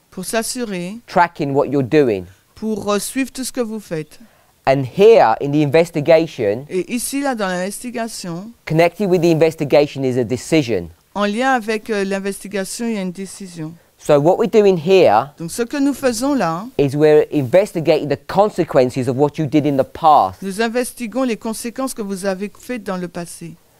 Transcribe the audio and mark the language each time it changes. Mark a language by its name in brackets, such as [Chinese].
[French] Pour s'assurer, [English] tracking what you're doing. [French] Pour suivre tout ce que vous faites. [English] And here in the investigation, [French] et ici là dans l'investigation, [English] connected with the investigation is a decision. [French] En lien avec l'investigation, il y a une décision. [English] So what we're doing here, [French] donc ce que nous faisons là, [English] is we're investigating the consequences of what you did in the past. [French] Nous investiguons les conséquences que vous avez faites dans le passé.